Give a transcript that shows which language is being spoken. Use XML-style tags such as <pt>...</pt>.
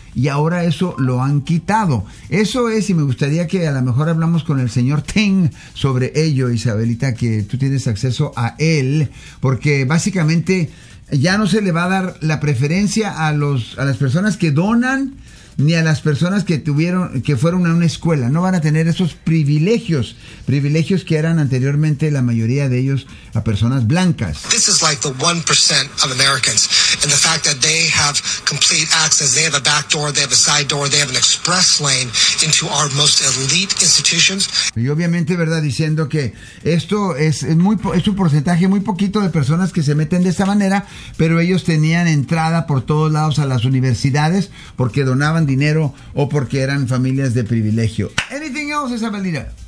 <es>Y ahora eso lo han quitado. Eso es, y me gustaría que a lo mejor hablamos con el señor Ting sobre ello, Isabelita, que tú tienes acceso a él, porque básicamente ya no se le va a dar la preferencia a las personas que donan, ni a las personas que fueron a una escuela. No van a tener esos privilegios que eran anteriormente, la mayoría de ellos, a personas blancas.</es> <en>This is like the 1% of Americans, and the fact that they have complete access, they have a back door, they have a side door, they have an express lane into our most elite institutions.</en> <es>Y obviamente, ¿verdad?, diciendo que esto es un porcentaje muy poquito de personas que se meten de esta manera, pero ellos tenían entrada por todos lados a las universidades porque donaban dinero o porque eran familias de privilegio.</es> <en>Anything else, Isabelita?</en>